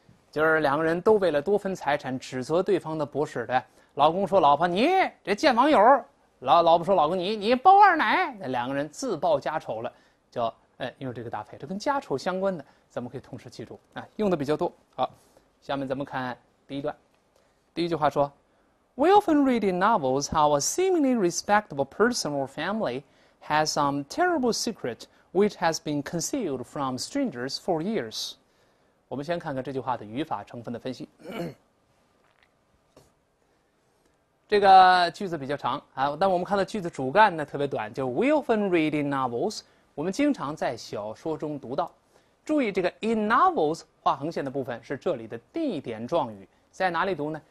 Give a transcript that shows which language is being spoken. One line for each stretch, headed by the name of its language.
Chinese: 就是两个人都为了多分财产指责对方的不是的，老公说老婆你这贱网友，老婆说老公你包二奶，那两个人自曝家丑了，叫用这个搭配，这跟家丑相关的咱们可以同时记住啊，用的比较多。好，下面咱们看第一段。第一句话说
English: We often read in novels how a seemingly respectable person or family has some terrible secret which has been concealed from strangers for years。
Chinese: 我们先看看这句话的语法成分的分析。这个句子比较长啊，但我们看到句子主干呢特别短，就
English: We often read in novels，
Chinese: 我们经常在小说中读到。注意这个 in novels 画横线的部分是这里的地点状语，在哪里读呢？